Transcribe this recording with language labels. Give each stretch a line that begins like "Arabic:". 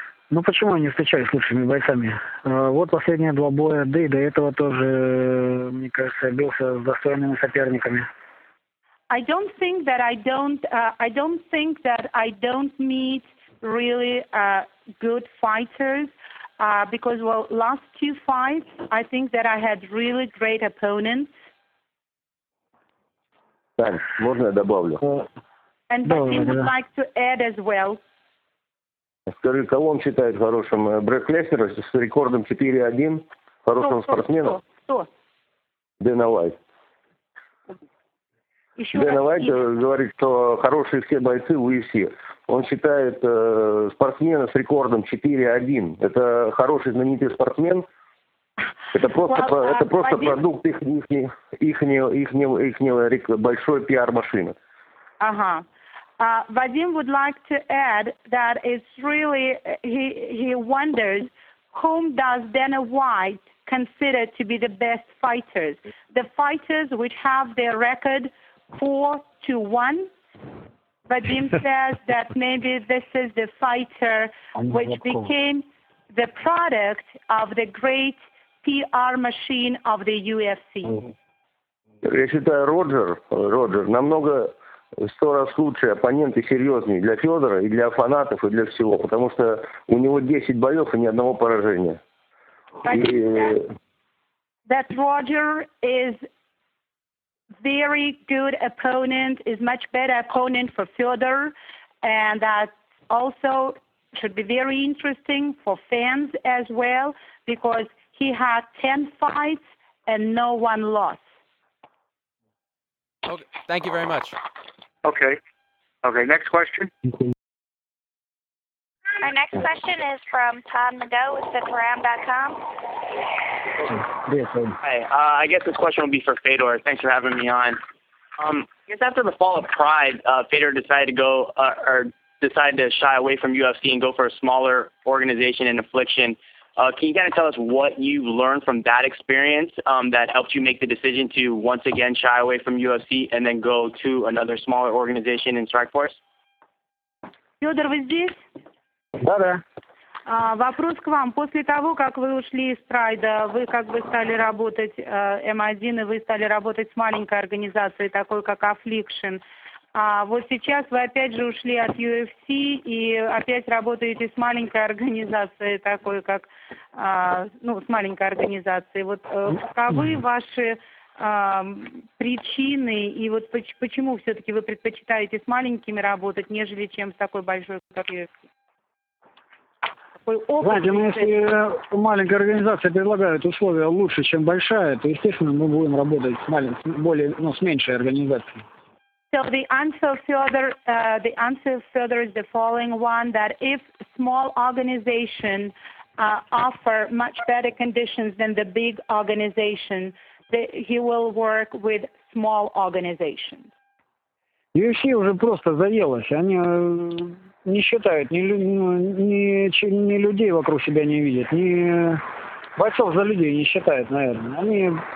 Russian: Ну почему я не встречаюсь с лучшими бойцами? Вот последние два боя, да и до этого тоже, мне кажется, бился с достойными соперниками.
English: I don't think that I don't meet really good fighters, because last two fights I think that I had really great opponents.
Russian: Так, можно я добавлю?
English: And Вадим would like to add as well.
Russian: Скажи, кого он считает хорошим? Брэк Леснера с рекордом 4-1? Хорошим спортсменом? Кто? Дэна Уайт. Дэна Уайт говорит, что хорошие все бойцы в UFC. Он считает спортсмена с рекордом 4-1. Это хороший, знаменитый спортсмен. Это просто, это просто продукт их большой пиар-машины. Ага.
English: Vadim would like to add that it's really, he wonders, whom does Dana White consider to be the best fighters? The fighters which have their record 4-1? Vadim says that maybe this is the fighter which became the product of the great PR machine of the UFC. I think Roger,
Russian: намного... сто раз лучше оппонент и серьезнее для Федора и для фанатов и для всего, потому что у него 10 боев и ни одного поражения.
English: That Roger is very good opponent, is much better opponent for Федор, and that also should be very interesting for fans as well, because he had 10 fights and no one lost. Okay, thank you very much. Okay. Next question. Our next question is from Todd McGough with TheKaram.com. Hi. I guess this question will be for Fedor. Thanks for having me on. I guess after the fall of Pride, Fedor decided to go decided to shy away from UFC and go for a smaller organization in Affliction. Can you kind of tell us what you learned from that experience that helped you make the decision to once again shy away from UFC and then go to another smaller organization in Strikeforce?
Russian: Fyodor, вы здесь? Да. Вопрос к вам. После того, как вы ушли из Страйда, вы как бы стали работать М1, и вы стали работать с маленькой организацией, такой как Affliction. А вот сейчас вы опять же ушли от UFC и опять работаете с маленькой организацией, такой как, с маленькой организацией. Вот каковы ваши причины и вот почему все-таки вы предпочитаете с маленькими работать, нежели чем с такой большой, как UFC? Знаете, ну если маленькая организация предлагает условия лучше, чем большая, то, естественно, мы будем работать с с меньшей организацией.
English: So the answer further, is the following one, that if small organization offer much better conditions than the big organization, he will work with small organizations.
Russian: UFC уже просто заелось. Они не считают, ни людей вокруг себя не видят, ни бойцов за людей не считают, наверное. Они...